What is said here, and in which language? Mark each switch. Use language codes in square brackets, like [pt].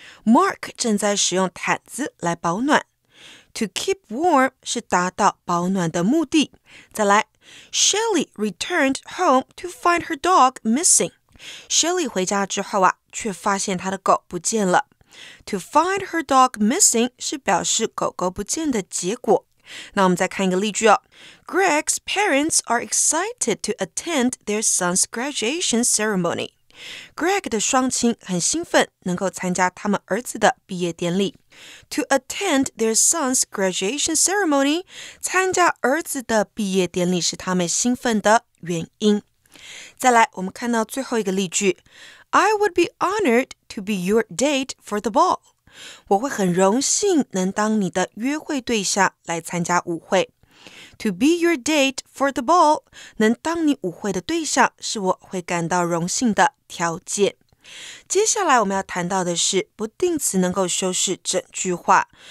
[zh] Mark 正在使用毯子来保暖。 [en] To keep warm [zh] 是达到保暖的目的。再来 [en] ,Shelly returned home to find her dog missing. [zh] Shelly 回家之后啊，却发现她的狗不见了。 [en] To find her dog missing [zh] 是表示狗狗不见的结果。那我们再看一个例句哦。 [en] Greg's parents are excited to attend their son's graduation ceremony. [zh] Greg 的双亲很兴奋能够参加他们儿子的毕业典礼。 [en] To attend their son's graduation ceremony, [zh] 参加儿子的毕业典礼是他们兴奋的原因。再来，我们看到最后一个例句。 [en] I would be honored to be your date for the ball. [zh] 我会很荣幸能当你的约会对象来参加舞会。 [en] To be your date for the ball, [zh] 能当你舞会的对象是我会感到荣幸的条件。接下来我们要谈到的是不定词能够修饰整句话。